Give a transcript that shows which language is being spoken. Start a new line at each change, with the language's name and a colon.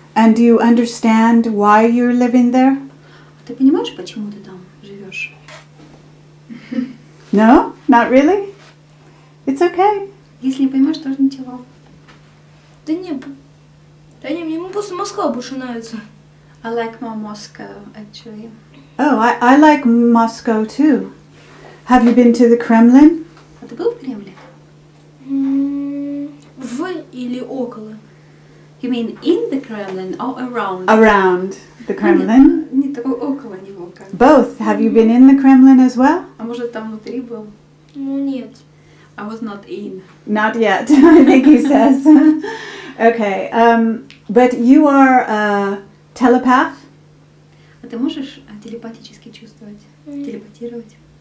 English: And do you understand why you're living there?
Russian: Ты понимаешь, почему ты там живешь?
English: No? Not really? It's okay.
Russian: Если не поймешь, тоже ничего. Да не, мне просто Москва больше нравится.
English: I like more Moscow, actually. Oh, I like Moscow, too. Have you been to the Kremlin?
Russian: А ты был в Кремле? В или около.
English: You mean in the Kremlin or around? Around the Kremlin.
Russian: Нет, около него.
English: Both. Have you been in the Kremlin as well?
Russian: А может, там внутри был? Ну, нет.
English: I was not in. Not yet, I think he says. Okay, but you are a telepath?
Russian: А ты можешь телепатически чувствовать, телепатировать?